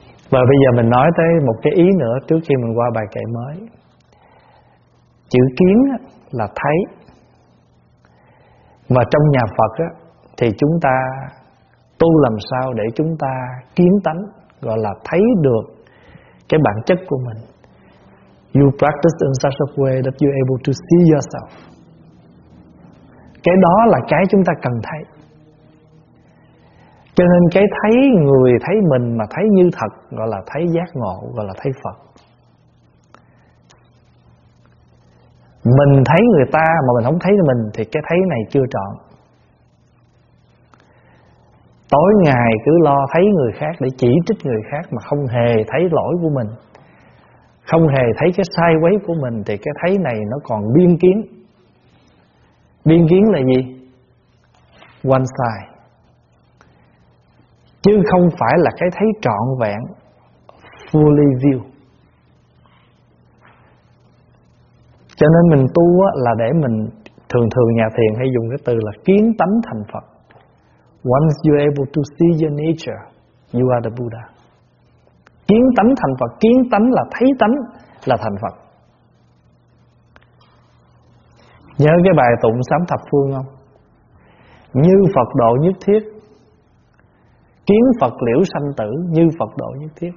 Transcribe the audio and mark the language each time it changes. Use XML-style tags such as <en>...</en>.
<vi>Và bây giờ mình nói tới một cái ý nữa trước khi mình qua bài kệ mới. Chữ kiến là thấy. Mà trong nhà Phật á, thì chúng ta tu làm sao để chúng ta kiến tánh, gọi là thấy được cái bản chất của mình.</vi> <en>You practice in such a way that you're able to see yourself.</en> <vi>Cái đó là cái chúng ta cần thấy. Cho nên cái thấy người, thấy mình mà thấy như thật, gọi là thấy giác ngộ, gọi là thấy Phật. Mình thấy người ta mà mình không thấy mình thì cái thấy này chưa trọn. Tối ngày cứ lo thấy người khác để chỉ trích người khác mà không hề thấy lỗi của mình, không hề thấy cái sai quấy của mình, thì cái thấy này nó còn biên kiến. Biên kiến là gì?</vi> <en>One side.</en> <vi>Chứ không phải là cái thấy trọn vẹn,</vi> <en>fully view.</en> <vi>Cho nên mình tu là để mình, thường thường nhà thiền hay dùng cái từ là kiến tánh thành Phật.</vi> <en>Once you're able to see your nature, you are the Buddha.</en> <vi>Kiến tánh thành Phật, kiến tánh là thấy tánh, là thành Phật. Nhớ cái bài tụng sám thập phương không? Như Phật độ nhất thiết, kiến Phật liễu sanh tử, như Phật độ nhất thiết.</vi>